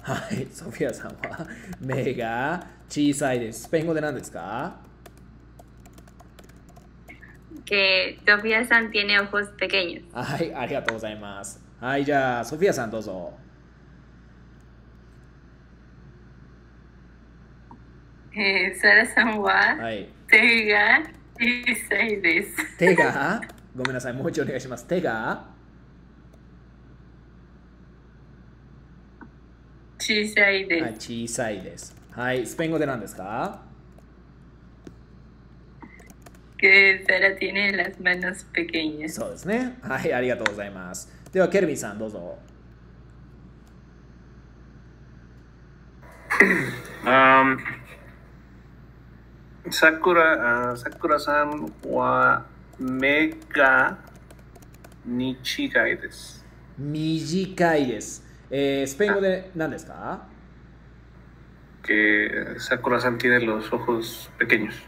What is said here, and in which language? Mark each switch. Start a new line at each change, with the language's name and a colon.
Japanese: はい、ソフィアさんは目が小さいです。スペイン語で何ですか？
Spanish: ソフィアさん tiene ojos pequeños。
Japanese: はい、ありがとうございます。はい、じゃあ、ソフィアさんどうぞ。サラさんは、はい、手が小さいです。手が？ごめんなさい、もう一度お願いします。手が？小さいです。はい、小さいです。はい、スペイン語で何ですか？
Spanish: Que Sara tiene las manos pequeñas.
Japanese: そうですね。はい、ありがとうございます。では、ケルビンさん、どうぞ。サクラさんは目が短いです。短いです。スペイン語で何ですか？
Spanish: Que Sakura-san tiene los ojos pequeños.